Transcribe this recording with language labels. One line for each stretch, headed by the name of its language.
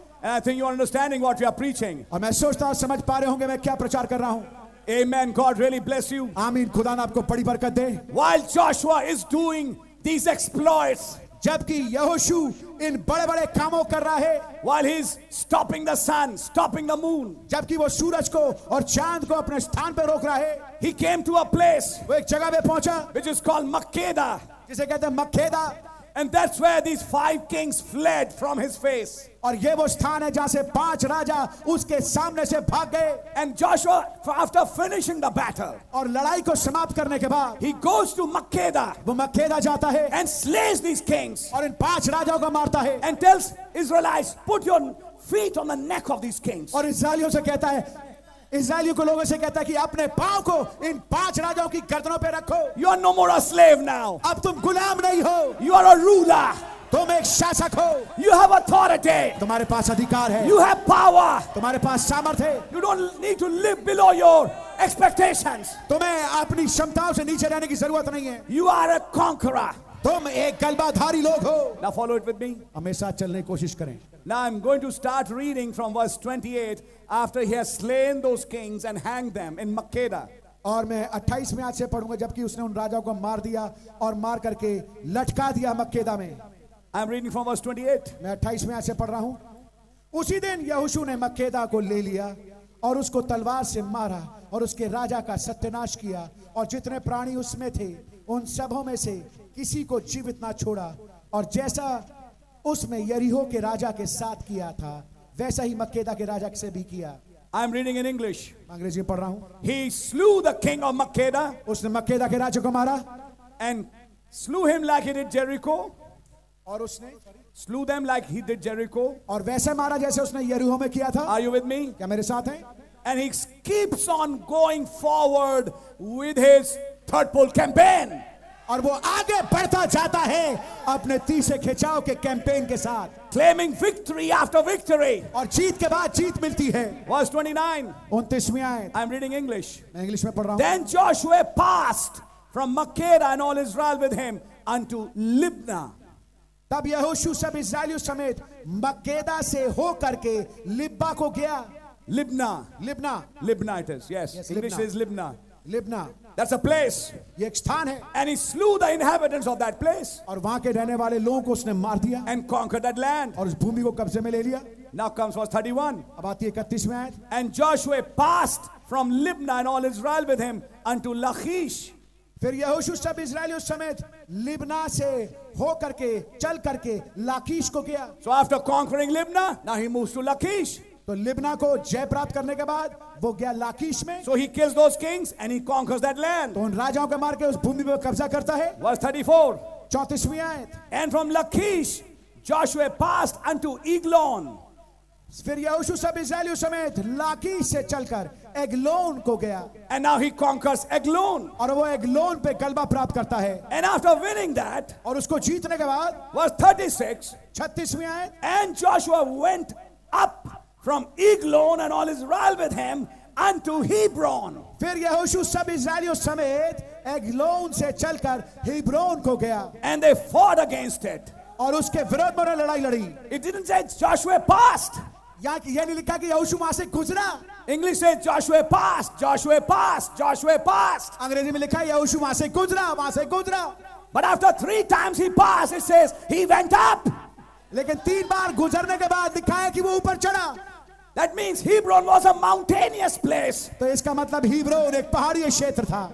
English: And I think you are understanding what we are preaching.
Hindi: और मैं सोचता हूँ समझ पा रहे होंगे मैं क्या प्रचार कर रहा हूँ.
English: Amen. God really bless you.
Hindi: आमीन. खुदा ने आपको बड़ी बरकत दे.
English: While Joshua is doing these exploits,
Hindi: जबकि यहोशू इन बड़े-बड़े कामों कर रहा है.
English: While he's stopping the sun, stopping the moon,
Hindi: जबकि वो सूरज को और चांद को अपने स्थान पर रोक रहा है.
English: He came to a place.
Hindi: वो एक जगह पे पहुंचा.
English: Which is called Makeda.
Hindi: जिसे कहते हैं मक्केदा.
English: And that's where these five kings fled from his face.
Hindi: और ये वो स्थान है जहां से पांच राजा उसके सामने से भाग गए.
English: And Joshua, after finishing the battle,
Hindi: और लड़ाई को समाप्त करने के बाद,
English: he goes to Makeda.
Hindi: वो मक्केदा जाता है.
English: And slays these kings.
Hindi: और इन पांच राजाओं को मारता है.
English: And tells Israelites, put your feet on the neck of these kings.
Hindi: और इस्राएलियों से कहता है इज़राइलियों को लोगों से कहता है कि अपने पांव को इन पांच राजाओं की गर्दनों पे रखो.
English: You are no more a slave now.
Hindi: अब तुम गुलाम नहीं हो.
English: You are a ruler.
Hindi: तुम एक शासक हो.
English: You have authority.
Hindi: तुम्हारे पास अधिकार है.
English: You have power.
Hindi: तुम्हारे पास सामर्थ्य है.
English: You don't need to live below your expectations.
Hindi: तुम्हें अपनी क्षमताओं से नीचे रहने की जरूरत नहीं है.
English: You are a conqueror.
Hindi: तुम एक गलबाधारी लोग हो.
English: Now follow it with me.
Hindi: हमेशा चलने की कोशिश करें.
English: Now I'm going to start reading from verse 28 after he has slain those kings and hanged them in Makeda.
Hindi: और मैं 28 में आज से पढ़ूंगा जबकि उसने उन राजाओं को मार दिया और मार करके लटका दिया मक्केदा में.
English: I'm reading from verse 28.
Hindi: मैं 28 में आज से पढ़ रहा हूं. उसी दिन यहोशू ने मक्केदा को ले लिया और उसको तलवार से मारा और उसके राजा का सत्यनाश किया और जितने प्राणी उसमें थे उन सबों में से किसी को जीवित ना छोड़ा और जैसा उसमें यरीहो के राजा के साथ किया था वैसा ही मक्केदा के राजा से भी किया.
English: I'm reading in English.
Hindi: अंग्रेजी में पढ़ रहा हूं.
English: He slew the king of Makeda.
Hindi: उसने मक्केदा के राजा को मारा.
English: And slew him like he did Jericho.
Hindi: और उसने
English: slew them like he did Jericho.
Hindi: और वैसे मारा जैसे उसने यरीहो में किया था.
English: Are you with me?
Hindi: क्या मेरे साथ हैं?
English: And he keeps on going forward with his third pole campaign.
Hindi: और वो आगे बढ़ता जाता है अपने तीसरे खिंचाव के कैंपेन के साथ.
English: Claiming victory after victory.
Hindi: और जीत के बाद जीत मिलती है.
English: Verse 29.
Hindi: 29वीं आयत.
English: I'm reading English.
Hindi: मैं इंग्लिश में पढ़ रहा
English: Then Joshua passed from Makeda and all Israel with him unto Libna.
Hindi: तब यहोशू सब इज़राइलियों समेत मक्केदा से होकर के लिब्बा को गया. Libnah. Libnah.
English: Libna it is. Yes. English is Libna. Libna. That's a place.
Hindi: ये एक स्थान है.
English: And he slew the inhabitants of that place.
Hindi: और वहाँ के रहने वाले लोगों को उसने मार दिया.
English: And conquered that land.
Hindi: और उस भूमि को कब्जे में ले लिया.
English: Now comes verse 31.
Hindi: अब आती है 31वीं आयत.
English: And Joshua passed from Libna and all Israel with him unto Lachish.
Hindi: फिर यहोशू सब इज़राइलियों समेत लिब्ना से होकर के चल करके लाकीश को गया.
English: So after conquering Libna, now he moves to Lachish.
Hindi: तो लिब्ना को जय प्राप्त करने के बाद वो गया लाकीश में.
English: So he kills those kings and he conquers that land.
Hindi: तो उन राजाओं को मार के उस भूमि पर कब्जा करता है.
English: Verse 34.
Hindi: 34वीं आयत.
English: And from Lachish, Joshua passed unto Eglon.
Hindi: फिर यहोशू सब इज़राइलियों समेत लाकीश से चलकर एग्लोन को गया.
English: And now he conquers Eglon.
Hindi: और वो एग्लोन पे गलबा प्राप्त करता है.
English: And after winning that,
Hindi: और उसको जीतने के बाद.
English: Verse 36.
Hindi: 36वीं आयत.
English: And Joshua went up from Eglon and all Israel with him unto Hebron.
Hindi: फिर यहोशू सब इज़राइलियों समेत एग्लोन से चलकर हीब्रोन को गया.
English: And they fought against it.
Hindi: और उसके विरोध में लड़ाई लड़ी.
English: It didn't say Joshua passed.
Hindi: यहाँ ये नहीं लिखा कि यहोशू वहाँ से गुजरा.
English: English says Joshua passed. Joshua passed. Joshua passed.
Hindi: अंग्रेजी में लिखा यहोशू वहाँ से गुजरा.
English: But after three times he passed, it says he went up.
Hindi: लेकिन तीन बार गुजरने के बाद लिखा है कि वो ऊपर चढ़ा.
English: That means Hebron was a mountainous place.
Hindi: तो इसका मतलब हीब्रोन एक पहाड़ी क्षेत्र था.